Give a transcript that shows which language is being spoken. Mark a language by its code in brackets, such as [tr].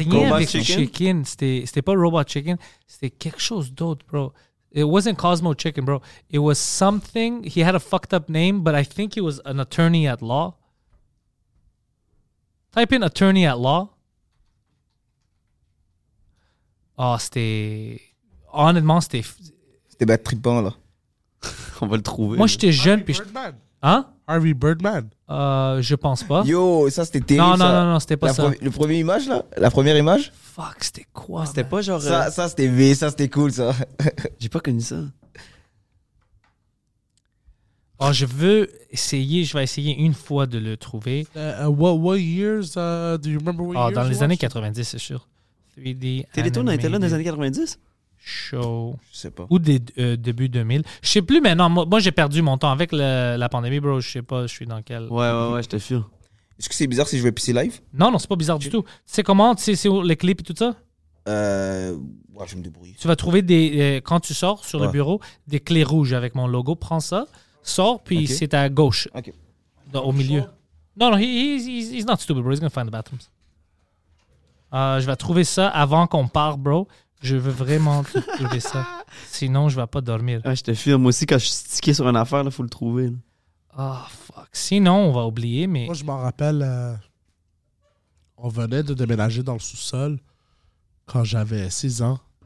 [fr] C'était rien avec Chicken. C'était pas Robot Chicken. C'était quelque chose d'autre, bro. [en] It wasn't Cosmo Chicken, bro. It was something. He had a fucked up name, but I think he was an attorney at law. Type in attorney at law. [fr] Oh, c'était... Honnêtement, c'était... C'était battre trippant, là. On va le trouver. Moi, j'étais jeune. Puis Birdman. Hein? Harvey Birdman. Je pense pas. Yo, ça, c'était terrible. Non, c'était pas la ça. Le premier image, là? La première image? Fuck, c'était quoi? C'était [en] man? [fr] Pas genre... Ça, c'était V, ça, c'était cool, ça. J'ai pas connu ça. Oh, je veux essayer, je vais essayer une fois de le trouver. [en] What years, do you remember what years? [fr] Dans les années 90, c'est sûr. 3D Télétoon a été là dans les années 90? [en] Show. [fr] Je sais pas. Ou des début 2000. Je sais plus, mais non, moi j'ai perdu mon temps avec la pandémie, bro. Je sais pas, je suis dans quel... Ouais, je te fure. Est-ce que c'est bizarre si je vais pisser live? Non, c'est pas bizarre du tout. Tu sais comment, c'est les clips et tout ça? Ouais, je me débrouille. Tu vas trouver des, quand tu sors sur le bureau, des clés rouges avec mon logo. Prends ça. Sort, puis okay. C'est à gauche. Ok. Dans, au milieu. [en] Non, he's not stupid, bro. He's gonna find the bathrooms. [fr] Je vais trouver ça avant qu'on parte, bro. Je veux vraiment trouver ça. Sinon, je vais pas dormir. Ah, je te filme. Moi aussi, quand je suis stické sur une affaire, là, faut le trouver. Ah, oh, fuck. Sinon, on va oublier, mais. Moi, je m'en rappelle. On venait de déménager dans le sous-sol quand j'avais 6 ans.